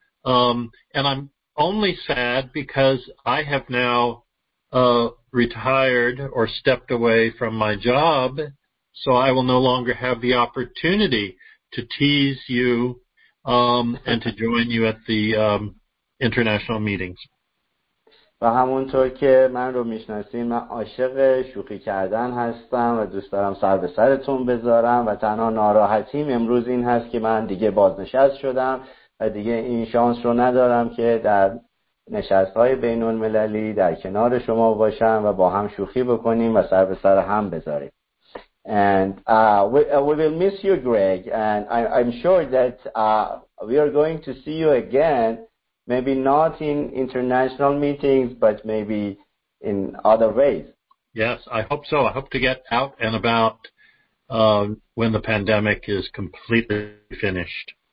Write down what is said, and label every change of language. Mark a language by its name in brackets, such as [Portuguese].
[English] And I'm only sad because I have now retired or stepped away from my job, so I will no longer have the opportunity to tease you and to join you at the international meetings. [Persian] و همونطور که من رو میشناسین، من عاشق شوخی کردن هستم و دوست دارم سر به سرتون بذارم و تنها ناراحتیم امروز این هست که من دیگه بازنشست شدم و دیگه این شانس رو ندارم که در نشست‌های بین‌المللی در کنار شما باشم و با هم شوخی بکنیم و سر به سر هم بذاریم. [English] And we will miss you, Greg, and I'm sure that we are going to see you again, maybe not in international meetings, but maybe in other ways. Yes, I hope so. I hope to get out and about when the pandemic is completely finished.